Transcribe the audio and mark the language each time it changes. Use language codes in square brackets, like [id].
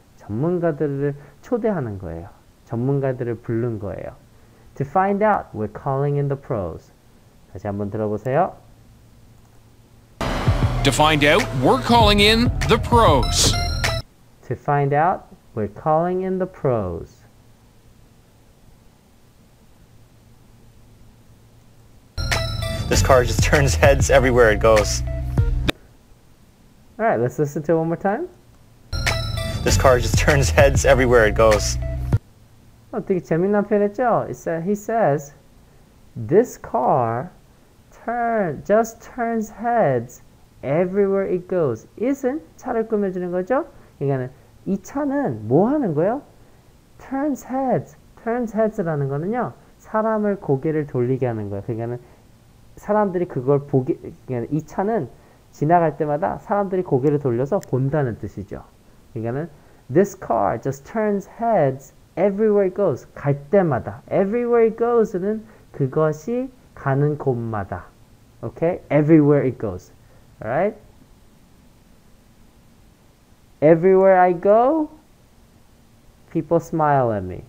[ko] 전문가들을 초대하는 거예요. 전문가들을 부른 거예요. [en] To find out, we're calling in the pros. [ko] 다시 한번 들어보세요. [en] To find out, we're calling in the pros. To find out, we're calling in the pros. This car just turns heads everywhere it goes. All right, let's listen to it one more time. This car just turns heads everywhere it goes. [ko] 되게 재미난 표현했죠? [en] He says, this car just turns heads everywhere it goes. [ko] Is은 차를 꾸며주는 거죠? 그러니까 이 차는 뭐 하는 거예요? Turns heads. Turns heads라는 거는요, 사람을 고개를 돌리게 하는 거예요. 그러니까 사람들이 그걸 보기, 그러니까 이 차는 지나갈 때마다 사람들이 고개를 돌려서 본다는 뜻이죠. 그러니까는 [en] this car just turns heads everywhere it goes. [ko] 갈 때마다 [en] everywhere it goes [ko] 는 그것이 가는 곳마다. [en] Okay, everywhere it goes. Alright. Everywhere I go, people smile at me.